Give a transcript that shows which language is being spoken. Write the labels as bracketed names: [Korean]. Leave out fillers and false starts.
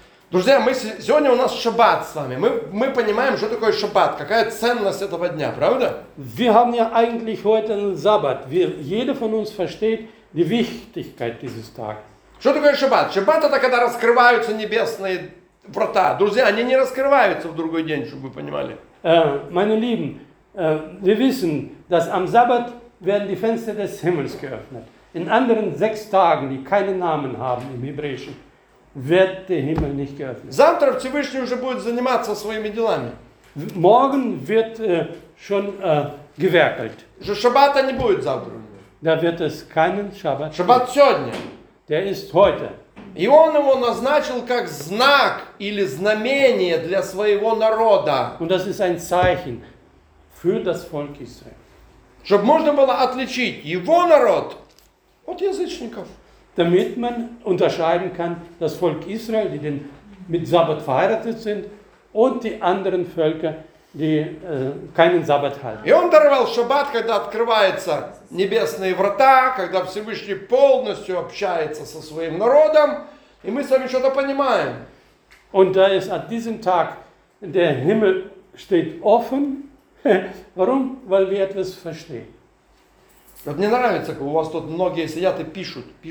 [Russian] Друзья, мы сегодня у нас Шаббат с вами. Мы понимаем, что такое Шаббат, какая ценность этого дня, правда? [German] Wir haben ja eigentlich heute einen Sabbat. Jeder von uns versteht die Wichtigkeit dieses Tages. [Russian] Что такое Шаббат? Шаббат – это когда раскрываются небесные врата. Друзья, они не раскрываются в другой день, чтобы вы понимали. [German] Meine Lieben, wir wissen, dass am Sabbat werden die Fenster des Himmels geöffnet. In anderen sechs Tagen, die keine Namen haben im Hebräischen, wird der Himmel nicht geöffnet. [Russian] Завтра Всевышний уже будет заниматься своими делами. [German] Morgen wird schon gewerkelt. [Russian] Шаббата не будет завтра. [German] Da wird es keinen Шаббат. [Russian] Шаббат сегодня. [German] Der ist heute. [Russian] И он его назначил как знак или знамение для своего народа. [German] Und das ist ein Zeichen für das Volk Israel. [Russian] Чтобы можно было отличить его народ от язычников. [German] Damit man unterscheiden kann das Volk Israel, die mit Sabbat verheiratet sind, und die anderen Völker, die keinen Sabbat halten. [Russian] И он даровал Шаббат, когда открываются небесные врата, когда Всевышний полностью общается со своим народом, и мы с вами что-то понимаем. [German] Und da ist an diesem Tag der Himmel steht offen. Warum? Weil wir etwas verstehen. [Russian] Вот мне нравится, как у вас тут многие сидят и пишут.